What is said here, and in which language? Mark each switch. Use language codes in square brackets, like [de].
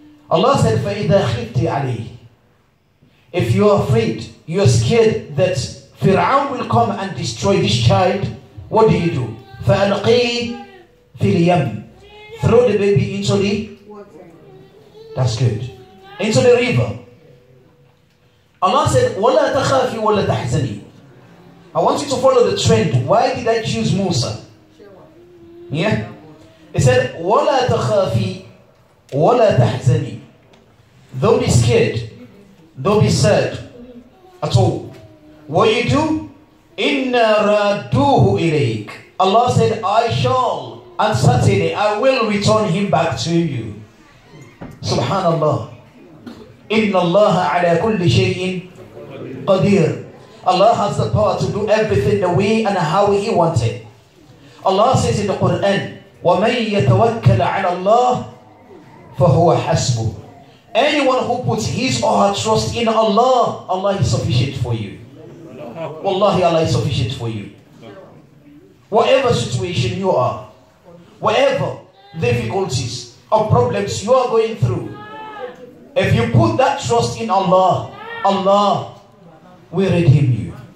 [en] Allah said, [ar] فَإِذَا خِفْتِ عَلَيْهِ, [en] if you are afraid, you are scared that Fir'aun will come and destroy this child, what do you do? [ar] فَأَلْقِي فِي الْيَمِ, [en] throw the baby into the water. That's good. Into the river. Allah said, [ar] وَلَا تَخَافِي وَلَا تَحْزَنِي. [en] I want you to follow the trend. Why did I choose Musa? Yeah? He said, [ar] وَلَا تَخَافِي وَلَا تَحْزَنِي. [en] Don't be scared. Don't be sad at all. What you do? [ar] Inna radduhu ilayk. [en] Allah said, I shall, and certainly I will return him back to you. Subhanallah. [ar] Inna Allah ala kulli shay'in qadir. [en] Allah has the power to do everything the way and how he wanted. Allah says in the Quran, [ar] وَمَن يَتَوَكَّلَ عَلَى اللَّهِ فَهُوَ حَسْبُهُ. [en] Anyone who puts his or her trust in Allah, Allah is sufficient for you. Wallahi, Allah is sufficient for you. Whatever situation you are, whatever difficulties or problems you are going through, if you put that trust in Allah, Allah will redeem you.